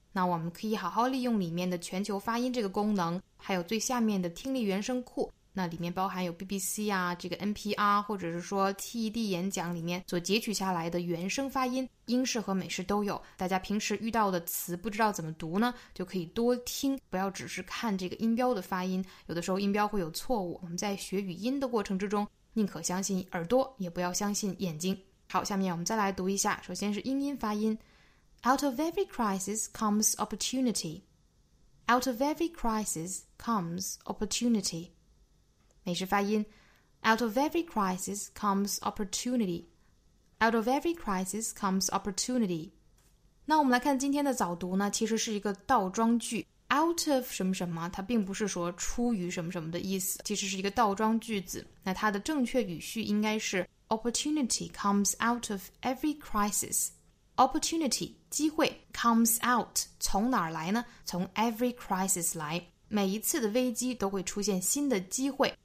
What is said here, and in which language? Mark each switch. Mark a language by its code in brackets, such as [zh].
[zh] 那我们可以好好利用里面的全球发音这个功能，还有最下面的听力原声库，那里面包含有 BBC 啊这个 NPR 或者是说 TED 演讲里面所截取下来的原声发音，英式和美式都有，大家平时遇到的词不知道怎么读呢就可以多听，不要只是看这个音标的发音，有的时候音标会有错误，我们在学语音的过程之中宁可相信耳朵也不要相信眼睛。好，下面我们再来读一下，首先是英音发音， [en] Out of every crisis comes opportunity. Out of every crisis comes opportunity. [zh] 美式发音， [en] Out of every crisis comes opportunity. Out of every crisis comes opportunity. [zh] 那我们来看今天的早读呢，其实是一个倒装句，out of 什么什么，它并不是说出于什么什么的意思，其实是一个倒装句子，那它的正确语序应该是 [en] opportunity comes out of every crisis， [zh] opportunity 机会 comes out 从哪儿来呢，从 every crisis 来，每一次的危机都会出现新的机会。